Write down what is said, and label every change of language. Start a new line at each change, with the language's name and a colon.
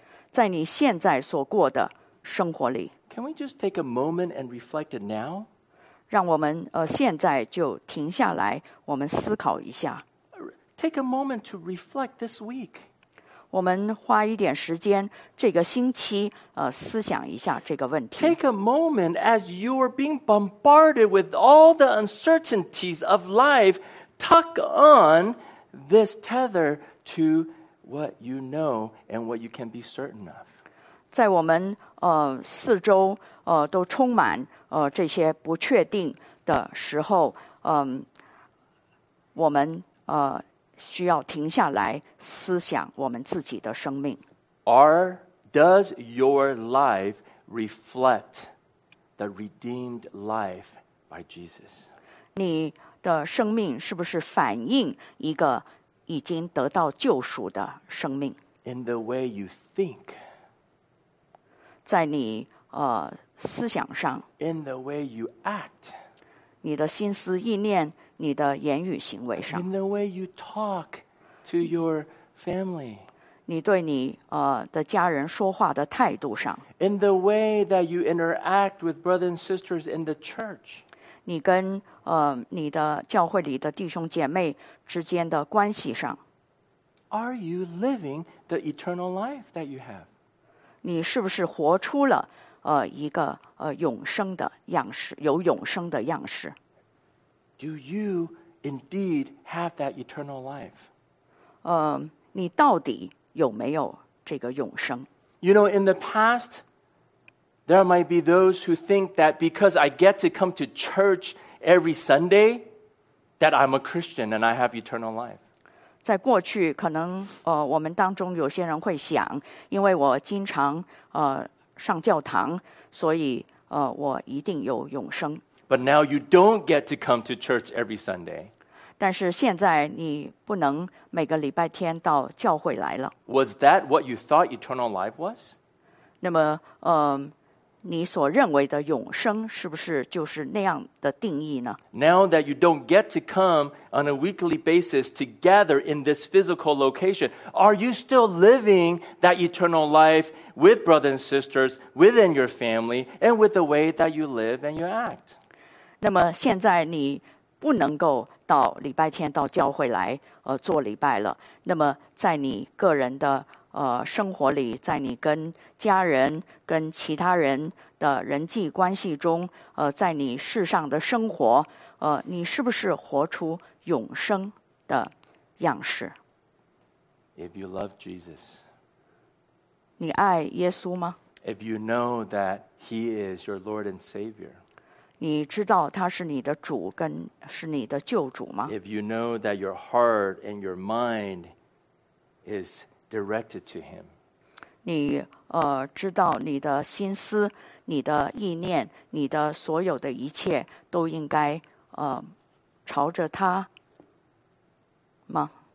Chinese: 在你现在所过的生活里。
English: Can we just take a moment and reflect it now?
Chinese: 让我们现在就停下来，我们思考一下。
English: Take a moment to reflect this week.
Chinese: 我们花一点时间，这个星期思想一下这个问题。
English: Take a moment as you are being bombarded with all the uncertainties of life, tuck on this tether to what you know and what you can be certain of.
Chinese: 在我们四周都充满这些不确定的时候，我们需要停下来思想我们自己的生命。
English: Does your life reflect the redeemed life by Jesus?
Chinese: 你的生命是不是反映一个已经得到救赎的生命？
English: In the way you think.
Chinese: 在你思想上。
English: In the way you act.
Chinese: 你的心思意念，你的言语行为上。
English: In the way you talk to your family.
Chinese: 你对你的家人说话的态度上。
English: In the way that you interact with brothers and sisters in the church.
Chinese: 你跟你的教会里的弟兄姐妹之间的关系上。
English: Are you living the eternal life that you have?
Chinese: 你是不是活出了一个永生的样式，有永生的样式？
English: Do you indeed have that eternal life?
Chinese: 你到底有没有这个永生？
English: You know, in the past, there might be those who think that because I get to come to church every Sunday, that I'm a Christian and I have eternal life.
Chinese: 在过去，可能我们当中有些人会想，因为我经常上教堂，所以我一定有永生。
English: But now you don't get to come to church every Sunday.
Chinese: 但是现在你不能每个礼拜天到教会来了。
English: Was that what you thought eternal life was?
Chinese: 那么你所认为的永生是不是就是那样的定义呢？
English: Now that you don't get to come on a weekly basis to gather in this physical location, are you still living that eternal life with brothers and sisters, within your family, and with the way that you live and you act?
Chinese: 那么现在你不能够到礼拜天到教会来做礼拜了，那么在你个人的生活里，在你跟家人跟其他人的人际关系中在你世上的生活你是不是活出永生的样式？
English: If you love Jesus,
Chinese: 你爱耶稣吗？
English: If you know that he is your Lord and Savior,
Chinese: 你知道他是你的主跟是你的救主吗？
English: If you know that your heart and your mind is directed to him.
Chinese: 你知道你的心思，你的意念，你的所有的一切都应该朝着他吗？